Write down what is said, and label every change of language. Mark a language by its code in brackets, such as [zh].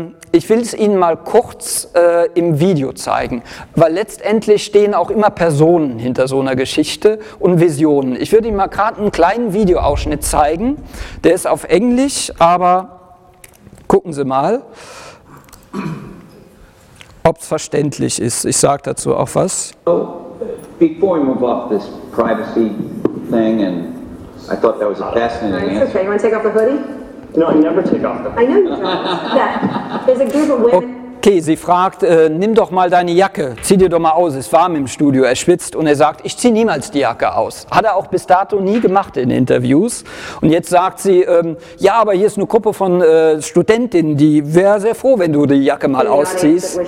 [de] Ich will es Ihnen mal kurz im Video zeigen, weil letztendlich stehen auch immer Personen hinter so einer Geschichte und Visionen. Ich würde Ihnen mal gerade einen kleinen Videoausschnitt zeigen. Der ist auf Englisch, aber gucken Sie mal, ob es verständlich ist. Ich sage dazu auch was. [en] So, before I move off this privacy thing, and I thought that was a fascinating answer. Okay, you want to take off the hoodie? No, I never take off the phone. I know you don't. Yeah. [de] Okay, sie fragt, nimm doch mal deine Jacke, zieh dir doch mal aus, ist warm im Studio, er schwitzt und er sagt, ich zieh niemals die Jacke aus. Hat er auch bis dato nie gemacht in Interviews. Und jetzt sagt sie, ja, aber hier ist eine Gruppe von Studentinnen, die wäre sehr froh, wenn du die Jacke mal ausziehst.